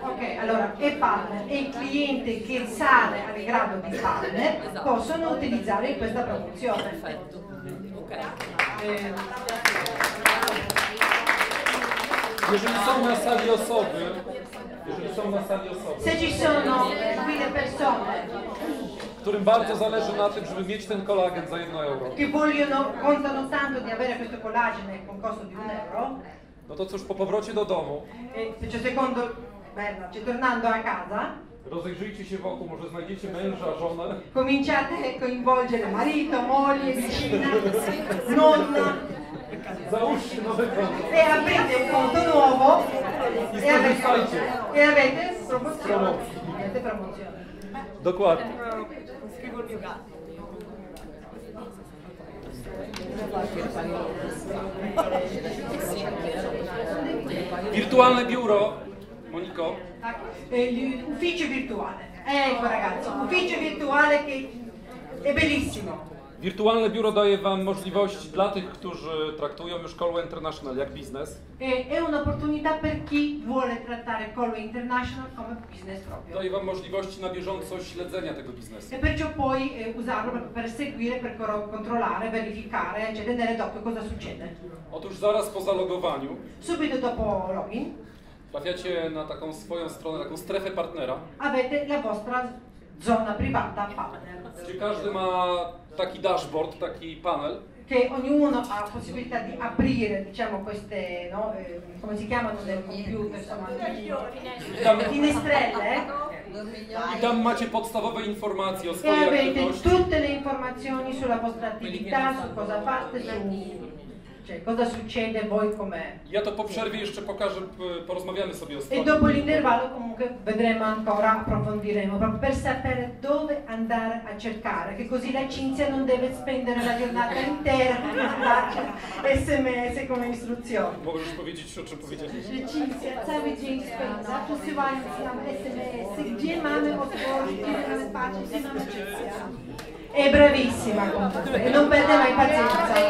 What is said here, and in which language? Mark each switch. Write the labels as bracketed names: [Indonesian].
[Italian] Ok, allora, e partner e il cliente che sale al grado di partner, esatto, possono utilizzare questa promozione. Perfetto. Ok. [Polish] Jeżeli są na sali osoby. [Italian] Se ci sono quelle persone, [Polish] którym bardzo zależy na tym, żeby mieć ten kolagen za 1 euro. [Italian] Che vogliono, contano tanto di avere questo collagene con costo di 1 euro. [Polish] No to cóż, po powrocie do domu. [Italian] Cioè secondo Berna, cioè tornando a casa. [Polish] Rozejrzyjcie się wokół, może znajdziecie męża, żonę. [Italian] Cominciate a coinvolgere marito, moglie, vicina, nonna. [Polish] Załóżcie nowe konto. [Italian] E aprite un conto nuovo. [Polish] I skorzystajcie. [Italian] E avete promozione. [Polish] Dokładnie. Wirtualne biuro, Moniko. [Italian] Tak, ufficio virtuale. Ecco ragazzi, ufficio virtuale che è bellissimo. [Polish] Wirtualne biuro daje wam możliwości dla tych, którzy traktują już Colway International jak biznes. [Italian] È un'opportunità per chi vuole trattare Colway International come business proprio. [Polish] Daje wam możliwości na bieżąco śledzenia tego biznesu. [Italian] E perciò puoi usarlo per seguire, per controllare, verificare, cioè vedere dopo cosa succede. [Polish] Otóż zaraz po zalogowaniu. [Italian] Subito dopo login. [Polish] Trafiacie na taką swoją stronę, taką strefę partnera. [Italian] Avete la vostra zona privata partner. [Polish] Gdzie każdy ma taki dashboard, taki panel. [Italian] Che ognuno ha possibilità di aprire, diciamo, queste, no, come si chiamano nel computer, insomma, finestrelle. [Polish] I tam macie podstawowe informacje o swojej aktywności. [Italian] E avete tutte le informazioni sulla vostra attività, su cosa fate, su... Cioè, cosa succede, voi com'è? [Polish] Ja to po przerwie jeszcze pokażę, porozmawiamy sobie o stronie. [Italian] E dopo l'intervallo comunque vedremo ancora, approfondiremo, proprio per sapere dove andare a cercare, che così la Cinzia non deve spendere la giornata intera per mandare SMS come istruzione. [Polish] Mogę już powiedzieć, o czym powiedzieć. Cinzia cały dzień spędza posyłając nam SMS, gdzie mamy otworzyć, gdzie mamy patrzeć, gdzie mamy Cinzia. [Italian] È bravissima comunque, e non perde mai pazienza.